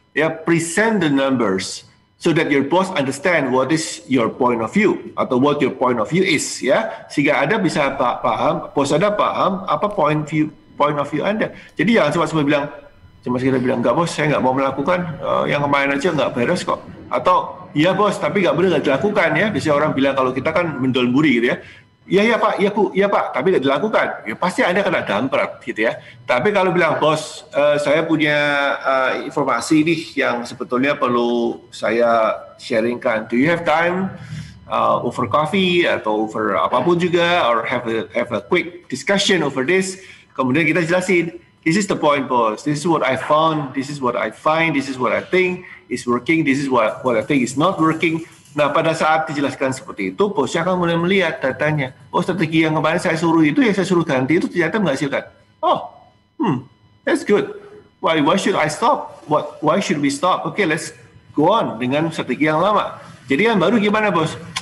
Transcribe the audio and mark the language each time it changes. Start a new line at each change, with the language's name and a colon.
English: Ya, present the numbers so that your boss understand what is your point of view atau what your point of view is ya,
Indonesian: sehingga Anda bisa paham, bos Anda paham apa point of view Anda. Jadi jangan cuma bilang enggak bos, saya enggak mau melakukan yang kemarin aja enggak beres kok, atau iya bos tapi enggak benar enggak dilakukan ya. Biasanya orang bilang kalau kita kan mendolburi gitu ya, iya pak tapi enggak dilakukan ya, pasti Anda kena damprat gitu ya. Tapi kalau bilang bos, saya punya informasi nih yang sebetulnya perlu saya sharingkan,
English: do you have time over coffee atau over
Indonesian: apapun juga,
English: or have a quick discussion over this,
Indonesian: kemudian kita jelasin,
English: this is the point bos, this is what I found, this is what I find, this is what I think is working, this is what I think is not working.
Indonesian: Nah, pada saat dijelaskan seperti itu, bosnya akan mulai melihat datanya. Oh, strategi yang kemarin saya suruh itu, yang saya suruh ganti itu ternyata menghasilkan.
English: Oh, that's good. Why should I stop? Why should we stop? Okay, let's go on
Indonesian: dengan strategi yang lama. Jadi yang baru gimana, bos?